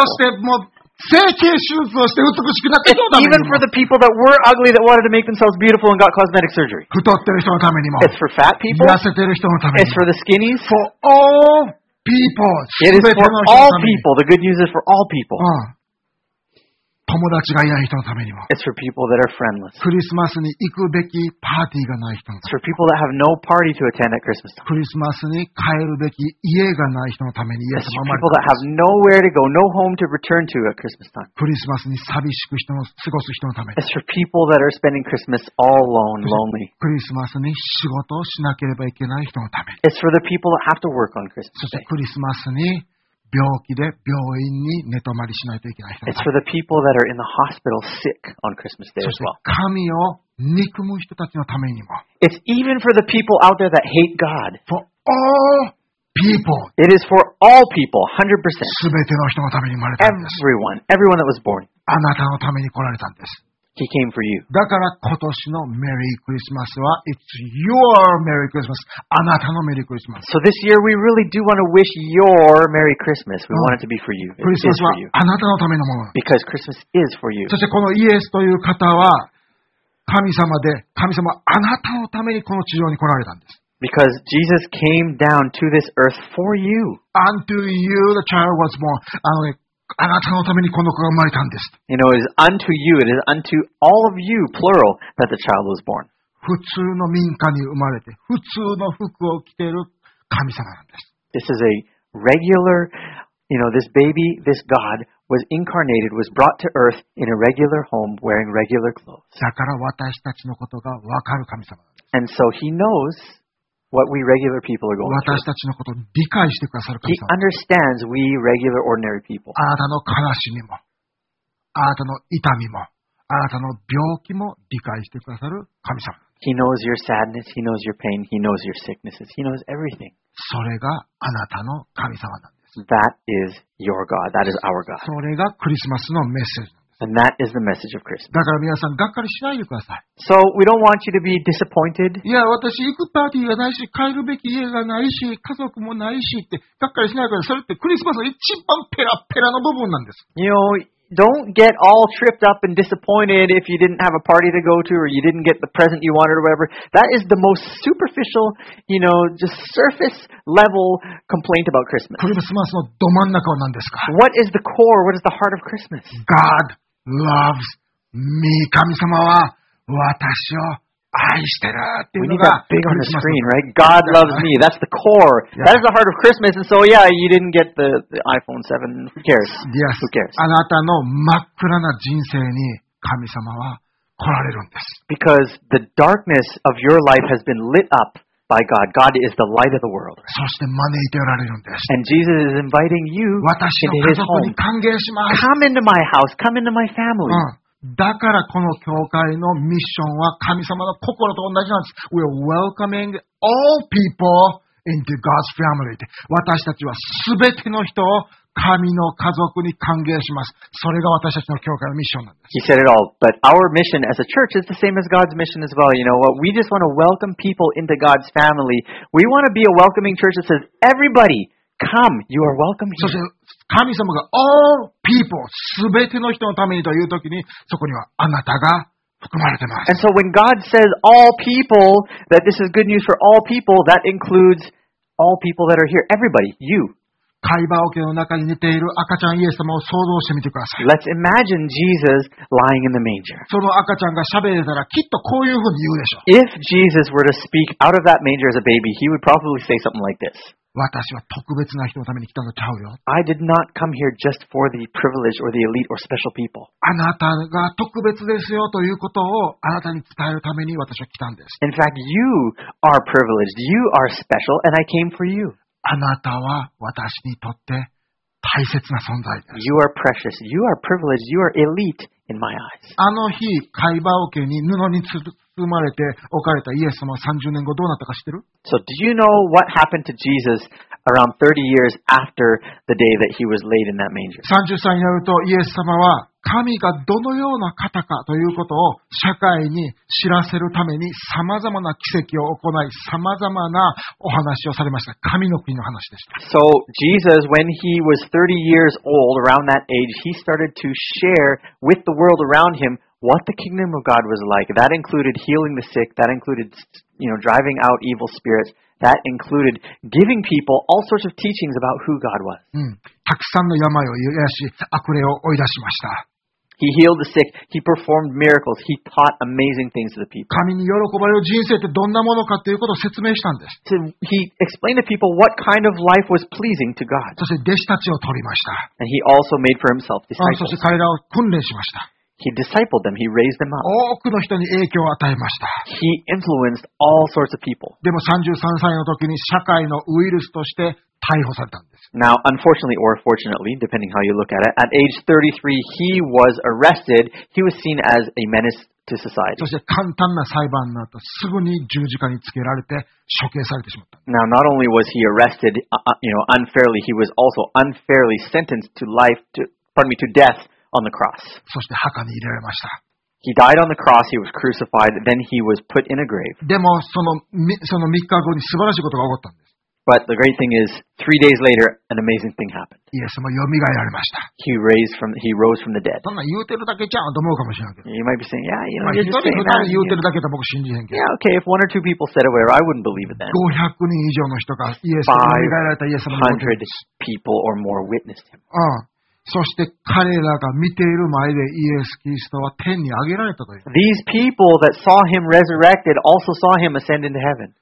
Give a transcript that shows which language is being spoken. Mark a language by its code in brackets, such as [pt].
[ja] そしてもう整形手術をして美しくなった人のためにも。 [en] Even for the people that were ugly that wanted to make themselves beautiful and got cosmetic surgery. [ja] 太ってる人のためにも。 [en] It's for fat people. [ja] 痩せてる人のためにも。 [en] It's for the skinnies. For all people. It is for all people. The good news is for all people. [ja] 友達がいない人のためにも。 [en] It's for people that are friendless. [ja] クリスマスに行くべきパーティーがない人のために。 [en] It's for people that have no party to attend at Christmas time. [ja] クリスマスに帰るべき家がない人のために。 [en] It's for people that have nowhere to go, no home to return to at Christmas time. [ja] クリスマスに寂しく人の過ごす人のために。 [en] It's for people that are spending Christmas all alone, lonely. [ja] クリスマスに仕事をしなければいけない人のために。 [en] It's for the people that have to work on Christmas. [ja] そしてクリスマスに病気で病院に寝泊まりしないといけない人。 [en] It's for the people that are in the hospital sick on Christmas Day as well. [ja] そして神を憎む人たちのためにも。 [en] It's even for the people out there that hate God. For all people. It is for all people, 100%. [ja] すべての人のために生まれたんです。 [en] Everyone that was born. [ja] あなたのために来られたんです。 [en] He came for you. [ja] だから今年のメリークリスマスは [en] It's your Merry Christmas. [ja] あなたのメリークリスマス。 [en] So this year we really do want to wish your Merry Christmas. We want it to be for you. [ja] クリスマスはあなたのためのもの。 [en] Because Christmas is for you. [ja] そしてこのイエスという方は神様で、神様はあなたのためにこの地上に来られたんです。 [en] Because Jesus came down to this earth for you. Unto you the child was born. [ja] あなたのためにこの子が生まれたんです。 [en] You know, it is unto you, it is unto all of you, plural, that the child was born. [ja] 普通の民家に生まれて、普通の服を着ている神様なんです。 [en] This is a regular, you know, this baby, this God was incarnated, was brought to earth in a regular home, wearing regular clothes. [ja] だから私たちのことがわかる神様なんです。 [en] And so he knows. What we regular people are going through. [ja] 私たちのことを理解してくださる神様。 [en] He understands we regular ordinary people. [ja] あなたの悲しみも、あなたの痛みも、あなたの病気も理解してくださる神様。 [en] He knows your sadness, he knows your pain, he knows your sicknesses, he knows everything. [ja] それがあなたの神様なんです。 [en] That is your God, that is our God. [ja] それがクリスマスのメッセージ。 [en] And that is the message of Christmas. [ja] だから皆さん、がっかりしないでください。 [en] So we don't want you to be disappointed. [ja] いや、私、行くパーティーがないし、帰るべき家がないし、家族もないしって、がっかりしないでください。それってクリスマスの一番ペラペラの部分なんです。 [en] You know, don't get all tripped up and disappointed if you didn't have a party to go to or you didn't get the present you wanted or whatever. That is the most superficial, you know, just surface level complaint about Christmas. [ja] クリスマスのど真ん中は何ですか? [en] What is the core? What is the heart of Christmas? God. Loves me. [ja] 神様は私を愛してるっていうのが。 [en] We need that big on the screen, right? God loves me. That's the core. That is the heart of Christmas. And so, yeah, you didn't get the iPhone 7. Who cares? Yes. Who cares? [ja] あなたの真っ暗な人生に神様は来られるんです。 [en] Because the darkness of your life has been lit up. By God. God is the light of the world. [ja] そして招いておられるんです。 [en] And Jesus is inviting you into his home. [ja] 私の家族に歓迎します。 [en] Come into my house. Come into my family. [ja] だからこの教会のミッションは神様の心と同じなんです。 [en] We are welcoming all people into God's family. [ja] 私たちはすべての人を神の家族に歓迎します。それが私たちの教会のミッションなんです。 [en] He said it all, but our mission as a church is the same as God's mission as well. You know what? We just want to welcome people into God's family. We want to be a welcoming church that says, "Everybody, come. You are welcome here." [ja] そして神様が [en] all people, [ja] すべての人のためにという時に、そこにはあなたが含まれてます。 [en] And so when God says all people, that this is good news for all people, that includes all people that are here. Everybody, you. [ja] 会話桶の中に寝ている赤ちゃんイエス様を想像してみてください。 [en] Let's imagine Jesus lying in the manger. [ja] その赤ちゃんが喋れたらきっとこういうふうに言うでしょう。 [en] If Jesus were to speak out of that manger as a baby, he would probably say something like this. [ja] 私は特別な人のために来たのちゃうよ。 [en] I did not come here just for the privileged or the elite or special people. [ja] あなたが特別ですよということをあなたに伝えるために私は来たんです。 [en] In fact, you are privileged. You are special, and I came for you. [ja] あなたは私にとって大切な存在です。 [en] You are precious. You are privileged. You are elite in my eyes. [ja] あの日、会話桶に布に包まれて置かれたイエス様は30年後どうなったか知ってる？ [en] So do you know what happened to Jesus around 30 years after the day that he was laid in that manger? [ja] 30歳になるとイエス様は神がどのような方かということを社会に知らせるために様々な奇跡を行い、様々なお話をされました。神の国の話でした。 [en] So, Jesus, when he was 30 years old, around that age, he started to share with the world around him what the kingdom of God was like. That included healing the sick, that included, you know, driving out evil spirits. That included giving people all sorts of teachings about who God was. [ja] たくさんの病を癒やし、悪霊を追い出しました。 [en] He healed the sick. He performed miracles. He taught amazing things to the people. [ja] 神に喜ばれる人生ってどんなものかということを説明したんです。 [en] So he explained to people what kind of life was pleasing to God. [ja] そして弟子たちを取りました。 [en] And he also made for himself disciples. [ja] そして彼らを訓練しました。 [en] He discipled them. He raised them up. [ja] 多くの人に影響を与えました。 [en] He influenced all sorts of people. [ja] でも33歳の時に社会のウイルスとして逮捕されたんです。 [en] Now, unfortunately or fortunately, depending how you look at it, at age 33, he was arrested. He was seen as a menace to society. [ja] そして簡単な裁判の後、すぐに十字架につけられて処刑されてしまった。 [en] Now, not only was he arrested, you know, unfairly, he was also unfairly sentenced to life, to death. On the cross. [ja] そして墓に入れられました。 [en] He died on the cross. He was crucified. Then he was put in a grave. [ja] でもその3日後に素晴らしいことが起こったんです。 [en] But the great thing is, three days later, an amazing thing happened. [ja] イエス様よみがえられました。 [en] He rose from the dead. [ja] そんな言うてるだけじゃんと思うかもしれないけど。 [en] You might be saying, yeah, you know, you're saying that. [ja] 一人二人言うてるだけだと僕信じへんけど。 [en] Yeah, okay. If one or two people said it, I wouldn't believe it then. [ja] 500人以上の人がイエス様よみがえられたイエス様のことです。 [en] 500 people or more witnessed him. [ja] そして彼らが見ている前でイエス・キリストは天に上げられたと言う。 [en] These people that saw him resurrected also saw him ascend into heaven.